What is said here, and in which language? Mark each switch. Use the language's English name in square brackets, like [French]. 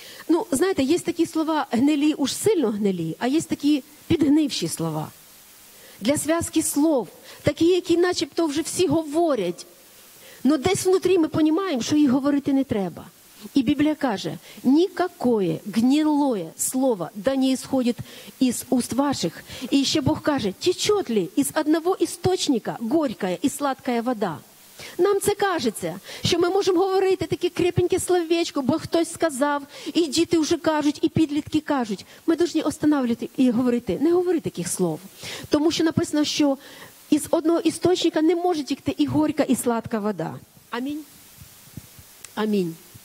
[Ukrainian] Ну, знаєте, є такі слова гнилі, уж сильно гнилі, а є такі підгнивші слова. Для зв'язки слов, такі, які начебто вже всі говорять. Но десь внутрі ми розуміємо, що їх говорити не треба. І Біблія каже, [Russian] «Нікакое гнилое слово да не исходит из уст ваших». [Ukrainian] І ще Бог каже, [Russian] «Течет ли из одного источника горькая и сладкая вода?» [Ukrainian] Нам це кажеться, що ми можемо говорити таке крепеньке словечко, бо хтось сказав, і діти вже кажуть, і підлітки кажуть. Ми повинні останавливати і говорити, не говорити таких слов. Тому що написано, що із одного істочника не може тікти і горька, і сладка вода. Амінь? Амінь.